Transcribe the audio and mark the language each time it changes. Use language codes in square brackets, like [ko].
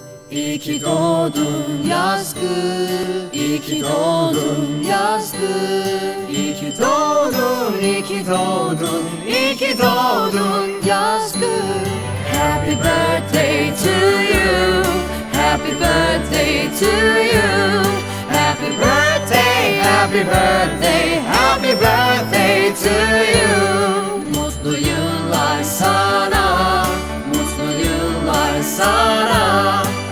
[tr] İyi ki doğdun yaz kız, iyi ki doğdun yaz kız, iyi ki doğdun, iyi ki doğdun, iyi ki doğdun yaz kız. [en] Happy birthday to you, happy birthday to you, happy birthday, happy birthday, happy birthday to you. [tr] Mutlu yıllar sana, mutlu yıllar sana.